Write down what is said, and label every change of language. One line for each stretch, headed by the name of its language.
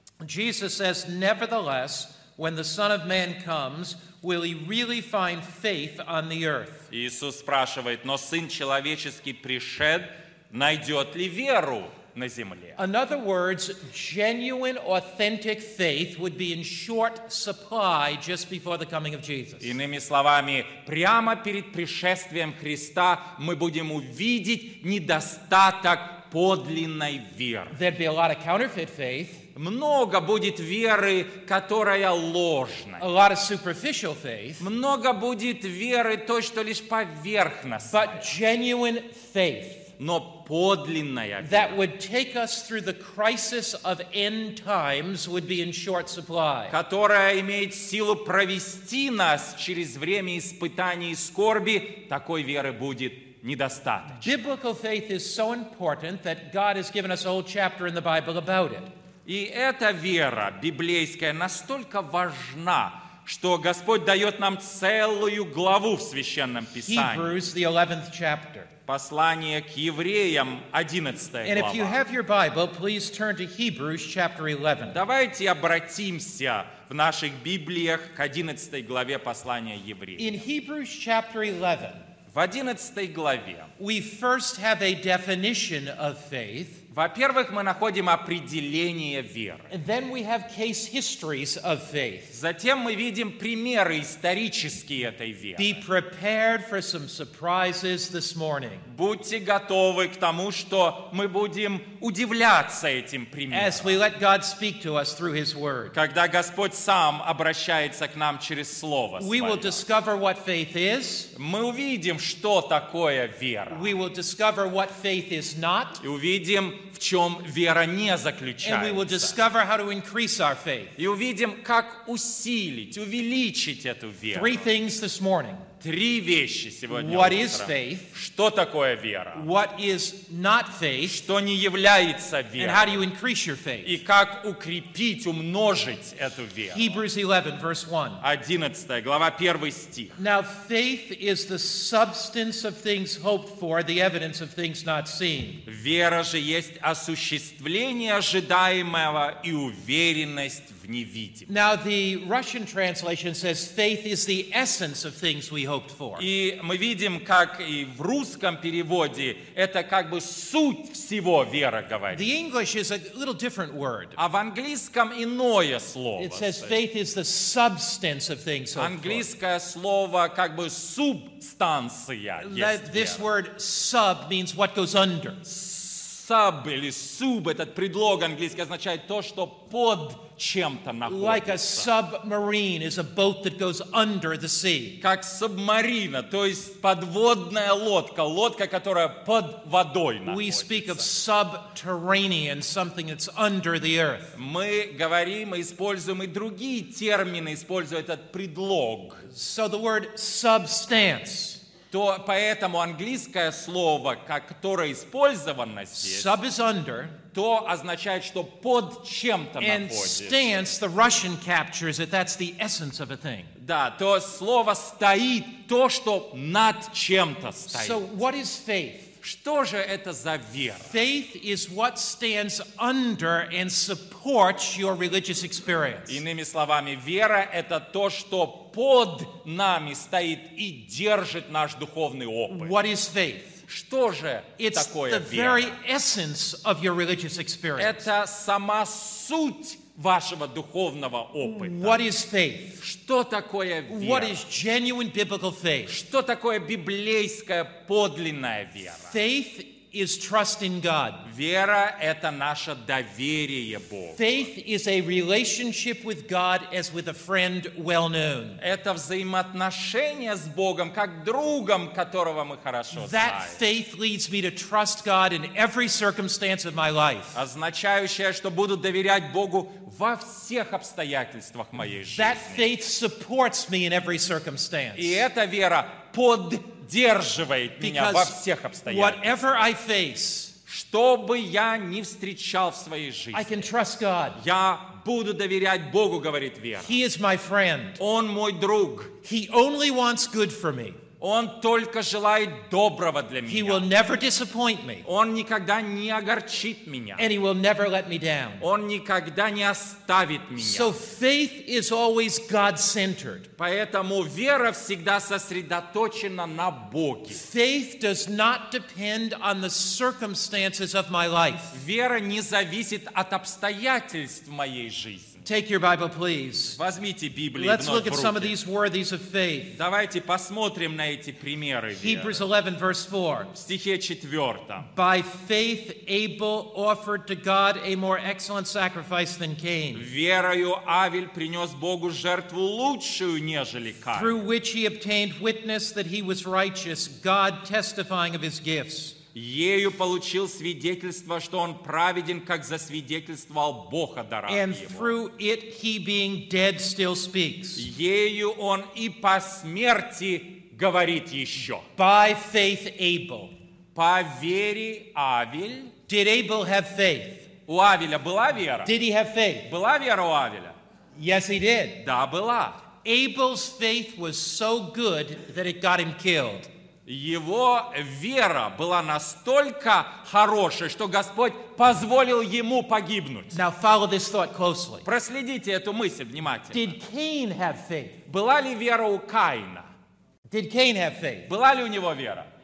English: Jesus says, "Nevertheless, when the Son of Man comes, will he really find faith on the earth?"
Russian: Иисус спрашивает: "Но Сын человеческий пришед, найдет ли веру на земле?"
English: In other words, genuine, authentic faith would be in short supply just before the coming of Jesus.
Russian: Иными словами, прямо перед пришествием Христа мы будем увидеть недостаток подлинной веры.
English: There'd be a lot of counterfeit faith.
Russian: Много будет веры, которая ложная.
English: A lot of superficial faith.
Russian: Много будет веры той, что лишь поверхностная.
English: But genuine faith.
Russian: Но подлинная вера.
English: That would take us through the crisis of end times would be in short supply.
Russian: Которая имеет силу провести нас через время испытаний и скорби, такой веры будет недостаточно.
English: Biblical faith is so important that God has given us a whole chapter in the Bible about it.
Russian: И эта вера библейская настолько важна, что Господь дает нам целую главу в Священном Писании.
English: Hebrews, the 11th chapter.
Russian: Послание к евреям, 11 глава.
English: And if you have your Bible, please turn to Hebrews, chapter 11.
Russian: Давайте обратимся в наших Библиях к 11 главе послания евреям.
English: In Hebrews, chapter 11.
Russian: В 11 главе.
English: We first have a definition of faith.
Russian: Во-первых, мы находим определение веры.
English: Then we have case histories of faith.
Russian: Затем мы видим примеры исторические этой веры.
English: Be prepared for some surprises this morning.
Russian: Будьте готовы к тому, что мы будем удивляться этим примерам.
English: As we let God speak to us through His Word.
Russian: Когда Господь сам обращается к нам через Слово Свое.
English: We will discover what faith is.
Russian: Мы увидим, что такое вера.
English: We will discover what faith is not.
Russian: И увидим, в чем вера не заключается.
English: And we will discover how to increase our faith.
Russian: И увидим, как усилить, увеличить эту веру.
English: Three things this morning.
Russian: Три вещи сегодня.
English: What is faith?
Russian: Что такое вера?
English: What is not faith?
Russian: Что не является верой?
English: And how do you increase your faith?
Russian: И как укрепить, умножить эту веру?
English: Hebrews 11, verse 1.
Russian: 11 глава, 1 стих.
English: Now faith is the substance of things hoped for, the evidence of things not seen.
Russian: Вера же есть осуществление ожидаемого и уверенность.
English: Now the Russian translation says faith is the essence of things we hoped for.
Russian: И мы видим, как и в русском переводе это как бы суть всего вера говорит.
English: The English is a little different word.
Russian: А в английском иное слово.
English: It says faith is the substance of things hoped for.
Russian: Английское слово как бы субстанция.
English: This word sub means what goes under.
Russian: Sub или sub, этот предлог английский означает то, что под чем-то находится.
English: Like a submarine is a boat that goes under the sea.
Russian: Как субмарина, то есть подводная лодка, лодка, которая под водой находится.
English: We speak of subterranean, something that's under the earth.
Russian: Мы говорим, используем и другие термины, используя этот предлог.
English: So the word substance.
Russian: То поэтому английское слово, которое использовано здесь,
English: sub is under,
Russian: то означает, что под чем-то находится.
English: Stance, the Russian captures it, that's the essence of a thing.
Russian: Да, то слово стоит, то, что над чем-то стоит.
English: So what is faith?
Russian: Что же это за вера?
English: Faith is what stands under and supports your religious experience.
Russian: Иными словами, вера — это то, что под нами стоит и держит наш духовный опыт.
English: What is faith?
Russian: что же
English: it's
Russian: такое вера?
English: The very essence of your religious experience.
Russian: Это сама суть вашего духовного опыта.
English: What is faith?
Russian: Что такое вера?
English: What is genuine biblical faith?
Russian: Что такое библейская подлинная вера?
English: Faith is trust in God.
Russian: Вера — это наше доверие Богу.
English: Faith is a relationship with God as with a friend well known.
Russian: Это взаимоотношение с Богом, как другом, которого мы хорошо знаем.
English: That faith leads me to trust God in every circumstance of my life.
Russian: Означающее, что буду доверять Богу во всех обстоятельствах моей жизни.
English: That faith supports me in every circumstance.
Russian: И эта вера поддерживает меня во всех обстоятельствах. Что бы я ни встречал в своей жизни,
English: I can trust God.
Russian: Я буду доверять Богу, говорит вера.
English: He is my friend.
Russian: Он мой друг.
English: He only wants good for me.
Russian: Он только желает доброго для меня.
English: He will never disappoint me.
Russian: Он никогда не огорчит меня.
English: And he will never let me down.
Russian: Он никогда не оставит меня.
English: So faith is always God-centered.
Russian: Поэтому вера всегда сосредоточена на Боге.
English: Faith does not depend on the circumstances of my life.
Russian: Вера не зависит от обстоятельств моей жизни.
English: Take your Bible, please.
Russian: Возьмите Библию.
English: Let's look at some of these worthies of faith.
Russian: Давайте посмотрим на эти примеры веры.
English: Hebrews 11, verse 4.
Russian: В стихе 4.
English: By faith Abel offered to God a more excellent sacrifice than Cain.
Russian: Верою Авель принес Богу жертву лучшую, нежели Каин.
English: Through which he obtained witness that he was righteous, God testifying of his gifts.
Russian: Ею получил свидетельство, что он праведен, как засвидетельствовал Бог о дарах
English: And
Russian: его.
English: Through it he being dead still speaks.
Russian: Ею он и по смерти говорит еще.
English: By faith Abel.
Russian: По вере Авель.
English: Did Abel have faith?
Russian: У Авеля была вера?
English: Did he have faith?
Russian: Была вера у Авеля?
English: Yes, he did.
Russian: Да, была.
English: Abel's faith was so good that it got him killed.
Russian: Его вера была настолько хорошей, что Господь позволил ему погибнуть.
English: Now follow this thought closely.
Russian: Проследите эту мысль внимательно.
English: Did Cain have faith?
Russian: Была ли вера у Каина?
English: Did Cain have faith?
Russian: Была ли у него вера?